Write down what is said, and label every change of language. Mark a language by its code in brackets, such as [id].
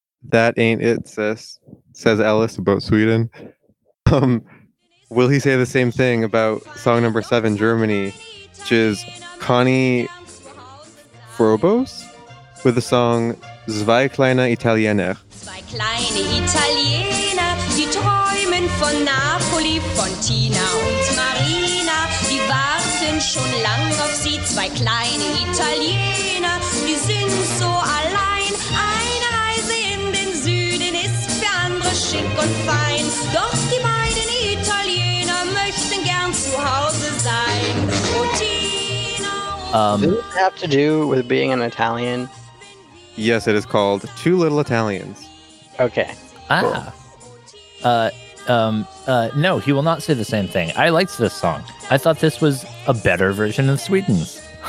[en] That ain't it, sis, says Ellis about Sweden. Will he say the same thing about song number 7, Germany, which is Connie Frobos with the song Zwei kleine Italiener. [de] Zwei kleine Italiener, die träumen von Napoli, von Tina und Marina. Die warten schon lang auf sie, zwei kleine Italiener. Wir sind so allein, eine Reise in den Süden ist für andere schick und fein. Doch die beiden Italiener möchten gern zu Hause sein. Oh, Tina [en] und does it have to do with being an Italian? Yes, it is called Two Little Italians. Okay. Cool. Ah. No, he will not say the same thing. I liked this song. I thought this was a better version of Sweden's.